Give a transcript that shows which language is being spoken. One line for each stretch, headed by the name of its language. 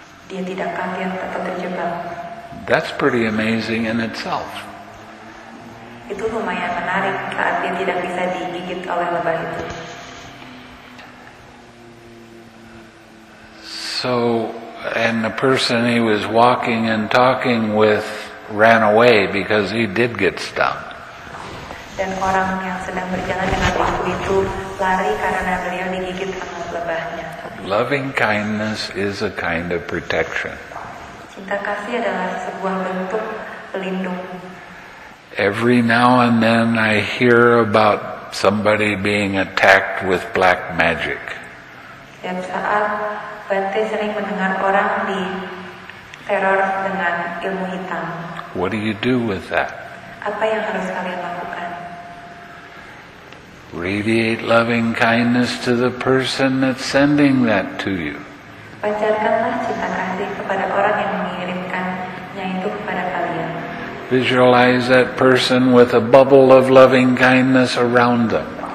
Indonesian: Dia tidak kaget atau terjebak.
English: That's pretty amazing in itself.
Indonesian: Itu lumayan menarik saat dia tidak bisa digigit oleh lebah itu.
English: So, and the person he was walking and talking with ran away because he did get stung.
Indonesian: Dan orang yang sedang berjalan dengan bhikkhu itu lari karena beliau digigit sama lebahnya.
English: Loving kindness is a kind of protection.
Indonesian: Cinta kasih adalah sebuah bentuk pelindung.
English: Every now and then I hear about somebody being attacked with black magic.
Indonesian: Setiap saat Bante sering mendengar orang di teror dengan ilmu hitam.
English: What do you do with that?
Indonesian: Apa yang harus kalian lakukan?
English: Radiate loving kindness to the person that's sending that to you.
Indonesian: Pancarkanlah cinta kasih kepada orang yang mengirimkannya itu kepada kalian.
English: Visualize that person with a bubble of loving kindness around them.